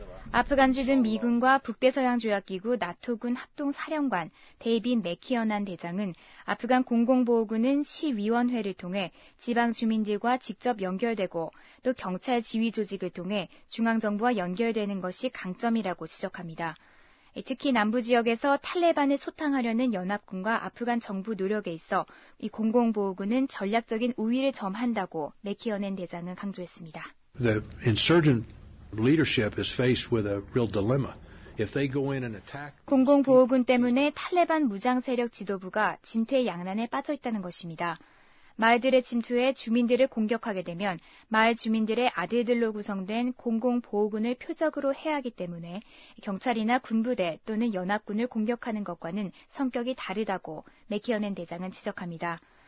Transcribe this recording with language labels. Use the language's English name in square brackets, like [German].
[Korean] 아프간 주둔 미군과 북대서양 조약기구 나토군 합동사령관 데이빈 맥키어난 대장은 아프간 공공보호군은 시위원회를 통해 지방 주민들과 직접 연결되고 또 경찰 지휘 조직을 통해 중앙정부와 연결되는 것이 강점이라고 지적합니다. 특히 남부 지역에서 탈레반을 소탕하려는 연합군과 아프간 정부 노력에 있어 이 공공보호군은 전략적인 우위를 점한다고 맥키어넨 대장은 강조했습니다. [English] The insurgent leadership is faced with a real dilemma. If they go in and attack, [Korean] 공공보호군 때문에 탈레반 무장 세력 지도부가 진퇴양난에 빠져 있다는 것입니다. 마을들의 침투에 주민들을 공격하게 되면 마을 주민들의 아들들로 구성된 공공보호군을 표적으로 해야 하기 때문에 경찰이나 군부대 또는 연합군을 공격하는 것과는 성격이 다르다고 맥키어넨 대장은 지적합니다.